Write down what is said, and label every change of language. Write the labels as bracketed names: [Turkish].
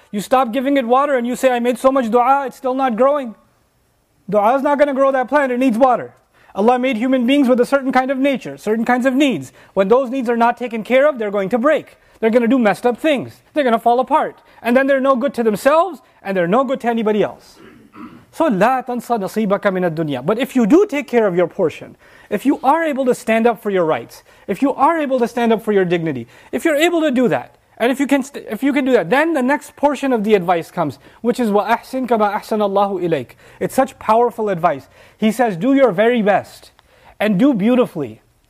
[English] You stop giving it water and you say, I made so much dua, it's still not growing. Dua is not going to grow that plant, it needs water. Allah made human beings with a certain kind of nature, certain kinds of needs. When those needs are not taken care of, they're going to break. They're going to do messed up things. They're going to fall apart. And then they're no good to themselves, and they're no good to anybody else. So [Arabic] لا تنسى نصيبك من الدنيا. [English] But if you do take care of your portion, if you are able to stand up for your rights, if you are able to stand up for your dignity, if you're able to do that, and if you can do that, then the next portion of the advice comes, which is [Arabic] وَأَحْسِنْ كَمَا أَحْسَنَ اللَّهُ إِلَيْكَ. [English] It's such powerful advice. He says, do your very best, and do beautifully.